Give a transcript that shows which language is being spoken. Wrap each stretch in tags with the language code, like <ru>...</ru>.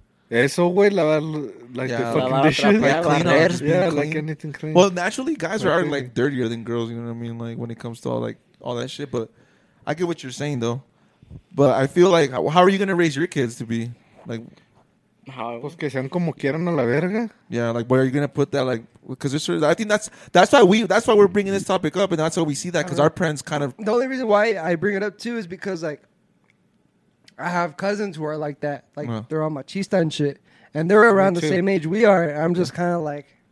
<es>Eso, güey,</es> <en>like the fucking dishes. Like anything clean. Well, naturally, guys are like dirtier than girls. You know what I mean? Like when it comes to all that shit. But I get what you're saying, though. But I feel like, how are you going to raise your kids to be, like...</en> <es>Pues que sean como quieran a la verga.</es> <en>Yeah, like, where are you going to put that, like... Because I think that's why we're bringing this topic up, and that's why we see that, because our parents kind of... The only reason why I bring it up, too, is because, like, I have cousins who are like that. Like, they're all machista and shit, and they're around the same age we are. I'm just kind of like...</en>